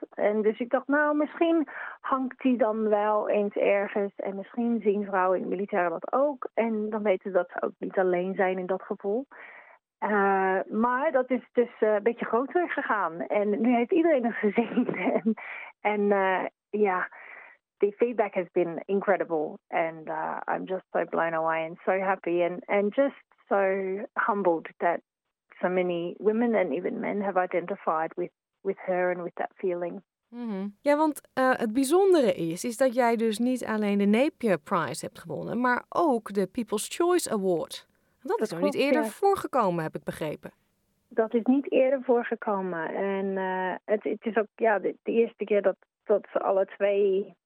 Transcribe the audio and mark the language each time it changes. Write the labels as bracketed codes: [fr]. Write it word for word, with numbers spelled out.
[nl] En dus ik dacht, nou, misschien hangt die dan wel eens ergens en misschien zien vrouwen in het militaire dat ook. En dan weten ze dat ze ook niet alleen zijn in dat gevoel. Uh, maar dat is dus uh, een beetje groter gegaan. En nu heeft iedereen het gezien. [en] en en uh, yeah, the feedback has been incredible. And uh, I'm just so blown away and so happy. And, and just so humbled that so many women and even men have identified with, with her and with that feeling. Mm-hmm. [nl] Ja, want uh, het bijzondere is, is dat jij dus niet alleen de Napier Prize hebt gewonnen, maar ook de People's Choice Award. Dat is nog niet eerder voorgekomen, heb ik begrepen. Dat is niet eerder voorgekomen. En uh, het, het is ook ja, de, de eerste keer dat, dat ze alle twee...